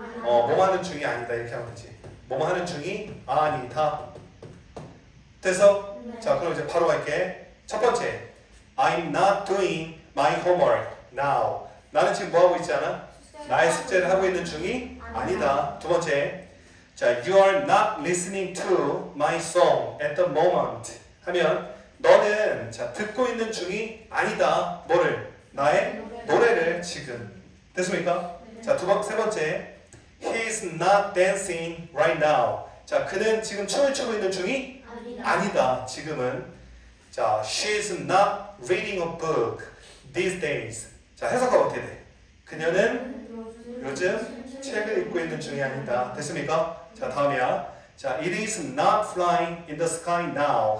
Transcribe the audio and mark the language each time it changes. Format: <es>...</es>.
<ko>뭐뭐 하는 중이 아니다. 이렇게 하면 되지. 뭐뭐 하는 중이? 아니다. 됐어? 네. 자, 그럼 이제 바로 갈게. 첫 번째.</ko> <en>I'm not doing my homework now.</en> <ko>나는 지금 뭐 하고 있지 않아? 나의 숙제를 하고 있는 중이? 아니다. 두 번째.</ko> <en>자, you are not listening to my song at the moment.</en> <ko>하면 너는 자, 듣고 있는 중이 아니다. 뭐를? 나의 노래를 지금. 됐습니까? 자, 두 번, 세 번째.</ko> <en>He is not dancing right now.</en> <ko>자, 그는 지금 춤을 추고 있는 중이? 아니다. 지금은.</ko> <en>자, she is not reading a book these days.</en> <ko>자, 해석하고 어떻게 돼? 그녀는 요즘 책을 읽고 있는 중이 아니다. 됐습니까? 자, 다음이야.</ko> <en>자, it is not flying in the sky now.</en>